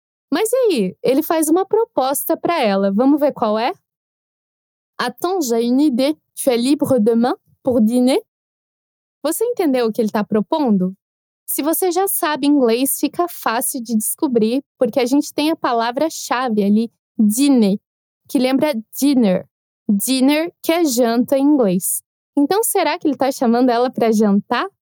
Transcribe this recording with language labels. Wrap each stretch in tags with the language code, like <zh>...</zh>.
<pt>Mas e aí, ele faz uma proposta para ela, vamos ver qual é?</pt> <fr>Attends, j'ai une idée, tu es libre demain pour dîner?</fr> <pt>Você entendeu o que ele está propondo? Se você já sabe inglês, fica fácil de descobrir, porque a gente tem a palavra-chave ali, dîner, que lembra dinner. Dinner, que é janta em inglês. Então, será que ele está chamando ela para jantar?</pt>